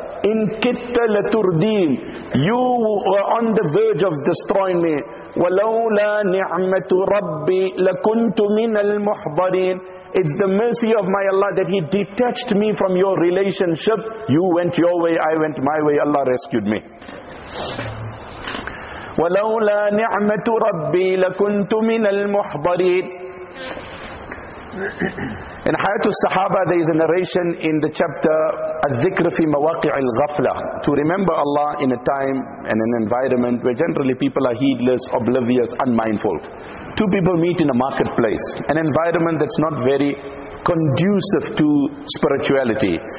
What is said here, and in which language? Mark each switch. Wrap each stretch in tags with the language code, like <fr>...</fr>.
<ar>In kitta laturdeen.</ar> <en>You were on the verge of destroying me.</en> <ar>Walawla ni'matu rabbi lakuntu min al muhbarin.</ar> <en>It's the mercy of my Allah that He detached me from your relationship. You went your way, I went my way. Allah rescued me.</en> <ar>ولولا نعمة ربي لكنت من المحضرين.</ar> <en>In Hayat al-Sahaba, there is a narration in the chapter Al-Dhikr fi Mawaqi' al-Ghafla, to remember Allah in a time and an environment where generally people are heedless, oblivious, unmindful. Two people meet in a marketplace, an environment that's not very conducive to spirituality.</en>